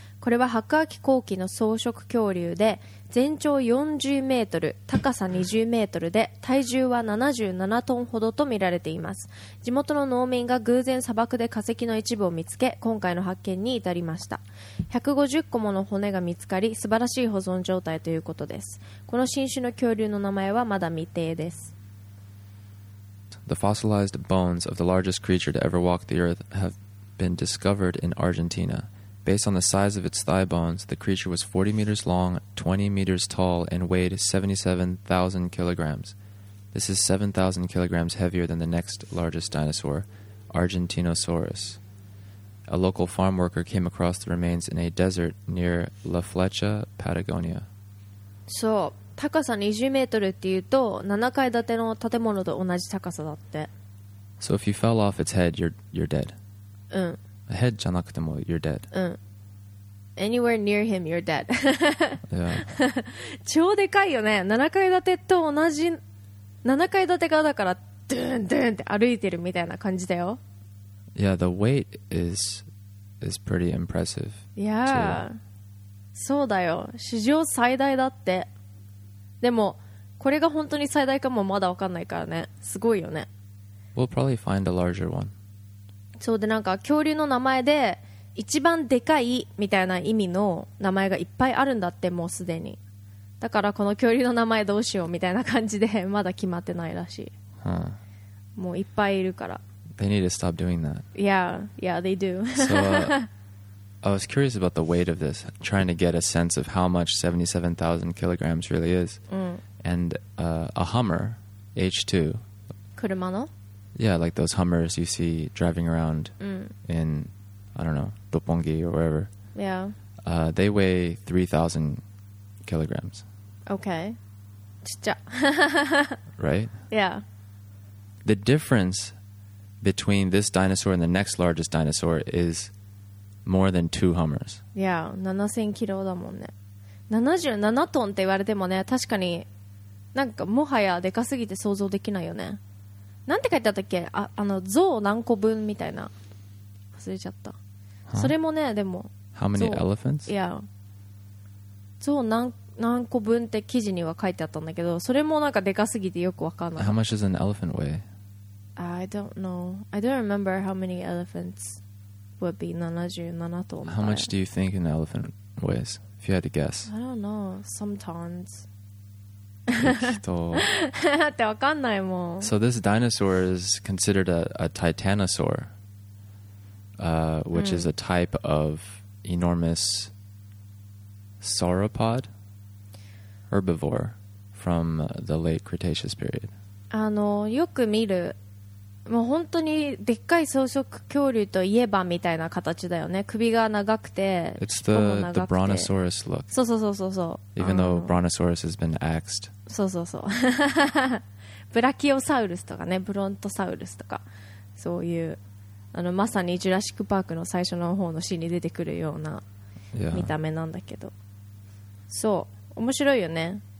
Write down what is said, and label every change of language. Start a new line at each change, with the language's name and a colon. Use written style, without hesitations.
Japanese: これは白亜紀後期の草食恐竜で、全長40メートル、高さ20メートルで、体重は77トンほどと見られています。地元の農民が偶然砂漠で化石の一部を見つけ、今回の発見に至りました。 150個もの骨が見つかり、素晴らしい保存状態ということです。この新種の恐竜の名前はまだ未定です。
English: The fossilized bones of the largest creature to ever walk the earth have been discovered in Argentina. Based on the size of its thigh bones, the creature was 40 meters long, 20 meters tall, and weighed 77,000 kilograms. This is 7,000 kilograms heavier than the next largest dinosaur, Argentinosaurus. A local farm worker came across the remains in a desert near La Flecha, Patagonia. So...
Japanese: 高さ20メートルっていうと7階建ての建物と同じ高さだって。
English: So if you fell off its head, you're dead. A head
Japanese: じゃなくても
English: you're dead. Anywhere near him, you're dead. Yeah.
Japanese: 超でかいよね。 7階建てと同じ、7階建てがだからドゥンドゥンって歩いてるみたいな感じだよ。
English: Yeah, the weight is pretty impressive.
Japanese: Yeah. そうだよ。史上最大だって。でもこれが本当に最大かもまだ分かんないからね。すごいよね。
English: We'll probably find a larger one.
Japanese: そうで、なんか恐竜の名前で一番でかいみたいな意味の名前がいっぱいあるんだって、もうすでに。だからこの恐竜の名前どうしようみたいな感じでまだ決まってないらしい。もういっぱいいるから。
English: They need to stop doing that. Yeah, yeah, they do. So, I was curious about the weight of this, trying to get a sense of how much 77,000 kilograms really is. And a Hummer, H2.
Japanese: 車の?
English: Yeah, like those Hummers you see driving around in, I don't know, Doppongi or wherever. Yeah. They weigh 3,000 kilograms. Okay. Chicha. Right? Yeah. The difference between this dinosaur and the next largest dinosaur is... More than two Hummers. Yeah, 7000 kilos
Japanese: だもんね。 77トンって言われてもね、確かになんかもはやでかすぎて想像できないよね。なんて書いてあったっけ、あの象何個分みたいな。忘れちゃった。
English: Huh?
Japanese: それもね、でも。
English: How many elephants? Yeah.
Japanese: 象何個分って記事には書いてあったんだけど、それもなんかでかすぎてよくわかんない。
English: How much does an elephant weigh? I don't know. I don't remember how many elephants. Would be 77 tons. How much do you think an elephant weighs? If you had to guess. I don't know. Some tons.
Japanese: って分かんないもん。
English: So this dinosaur is considered a titanosaur, which is a type of enormous sauropod herbivore from the late Cretaceous period.
Japanese: あの、よく見る。もう本当にでっかい草食恐竜といえばみたいな形だよね。首が長くて、
English: It's the brontosaurus look.
Japanese: そうそうそうそうそう。
English: Even though brontosaurus has been axed.
Japanese: そうそうそう。ブラキオサウルスとかね、ブロントサウルスとか、そういう、あのまさにジュラシックパークの最初の方のシーンに出てくるような見た目なんだけど、そう、面白いよね。